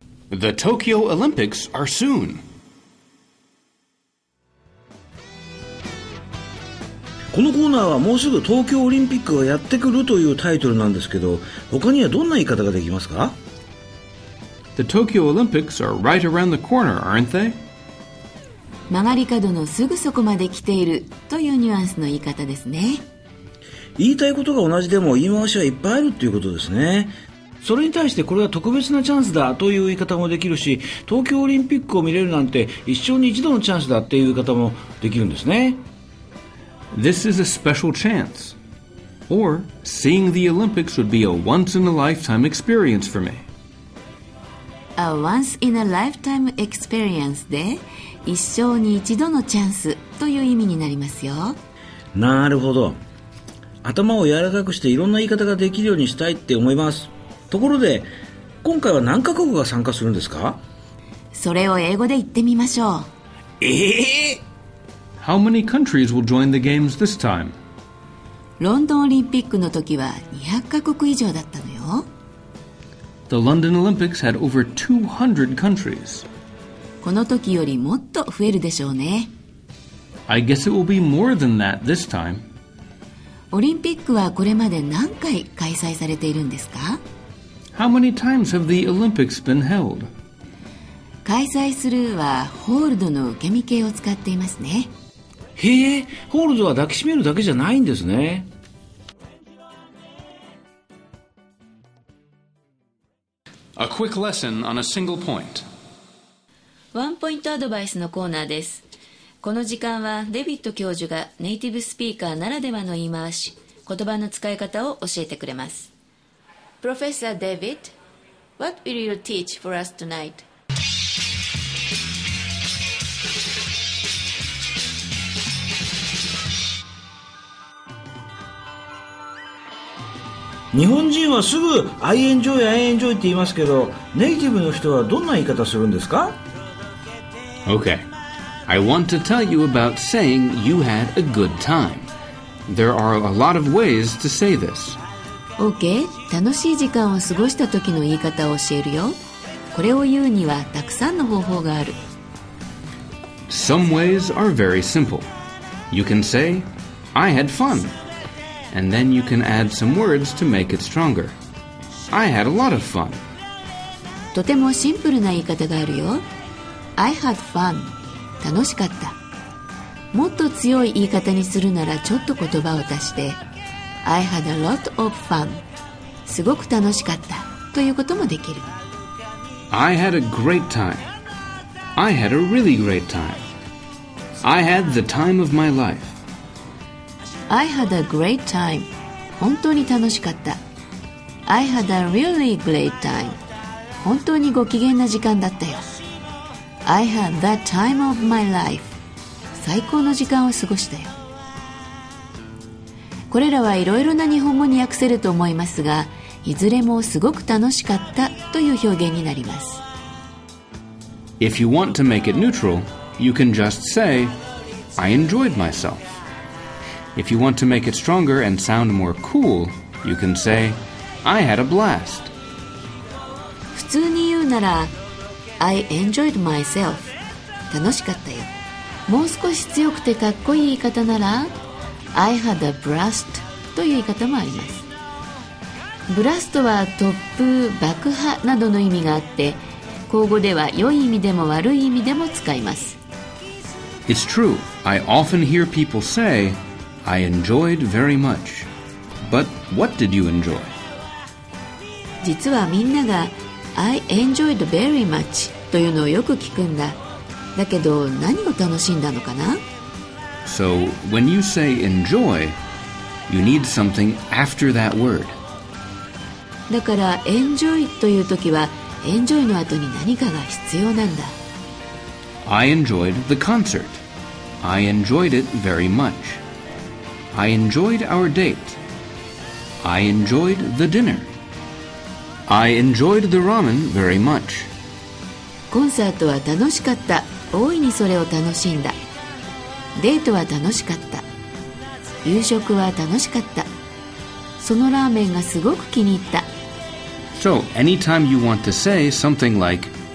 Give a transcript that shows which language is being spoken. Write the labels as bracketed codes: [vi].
[en] The Tokyo Olympics are soon. [ja] このコーナーはもうすぐ東京オリンピックがやってくるというタイトルなんですけど、他にはどんな言い方ができますか？ [en] The Tokyo Olympics are right around the corner, aren't they? [ja] 曲がり角のすぐそこまで来ているというニュアンスの言い方ですね。言いたいことが同じでも言い回しはいっぱいあるということですね。それに対してこれは特別なチャンスだという言い方もできるし、東京オリンピックを見れるなんて一生に一度のチャンスだっていう言い方もできるんですね。 [en] This is a special chance. Or, seeing the Olympics would be a once-in-a-lifetime experience for me. A once-in-a-lifetime experience [ja] で、一生に一度のチャンスという意味になりますよ。なるほど。頭を柔らかくしていろんな言い方ができるようにしたいって思います。ところで、今回は何カ国が参加するんですか？それを英語で言ってみましょう。 [en] How many countries will join the games this time? [ja] ロンドンオリンピックの時は200カ国以上だったのよ。 [en] The London Olympics had over 200 countries. [ja] この時よりもっと増えるでしょうね。 [en] I guess it will be more than that this time. [ja] オリンピックはこれまで何回開催されているんですか？ [en] How many times have the Olympics been held? [ja] 開催するはホールドの受け身形を使っていますね。へえ、ホールドは抱きしめるだけじゃないんですね。 [en] A quick lesson on a single point. [ja] ワンポイントアドバイスのコーナーです。この時間はデビット教授がネイティブスピーカーならではの言い回し、言葉の使い方を教えてくれます。 [en] Professor David, what will you teach for us tonight? [ja] 日本人はすぐ [en] I enjoy, I enjoy [ja] って言いますけど、ネイティブの人はどんな言い方するんですか？ [en] Okay. I want to tell you about saying you had a good time. There are a lot of ways to say this. Okay. [ja] 楽しい時間を過ごした時の言い方を教えるよ。これを言うにはたくさんの方法がある。 [en] Some ways are very simple. You can say, I had fun. And then you can add some words to make it stronger. I had a lot of fun. [ja] とてもシンプルな言い方があるよ。 [en] I had fun. [ja] 楽しかった。もっと強い言い方にするならちょっと言葉を足して、 [en] I had a lot of fun. [ja] すごく楽しかった。ということもできる。 [en] I had a great time. I had a really great time. I had the time of my life. I had a great time. [ja] 本当に楽しかった。 [en] I had a really great time. [ja] 本当にご機嫌な時間だったよ。 [en] I had the time of my life. [ja] 最高の時間を過ごしたよ。これらはいろいろな日本語に訳せると思いますが、いずれもすごく楽しかったという表現になります。 [en] If you want to make it neutral, you can just say, I enjoyed myself. If you want to make it stronger and sound more cool, you can say, I had a blast. [ja] 普通に言うなら、 [en] I enjoyed myself. [ja] 楽しかったよ。もう少し強くてかっこいい言い方なら、 [en] I had a blast [ja] という言い方もあります。ブラストは突風、爆破などの意味があって、口語では良い意味でも悪い意味でも使います。 [en] It's true. I often hear people say,I enjoyed very much. But what did you enjoy? [ja] 実はみんなが [en] I enjoyed very much [ja] というのをよく聞くんだ。だけど何を楽しんだのかな? [en] So when you say enjoy, you need something after that word. [ja] だから enjoy という時は enjoy の後に何かが必要なんだ。 [en] I enjoyed the concert. I enjoyed it very much. I enjoyed our date. I enjoyed the dinner. I enjoyed the ramen very much. [ja] コンサートは楽しかった。大いにそれを楽しんだ。デートは楽しかった。夕食は楽しかった。そのラーメンがすごく気に入った。 [en] So, anytime you want to say something like,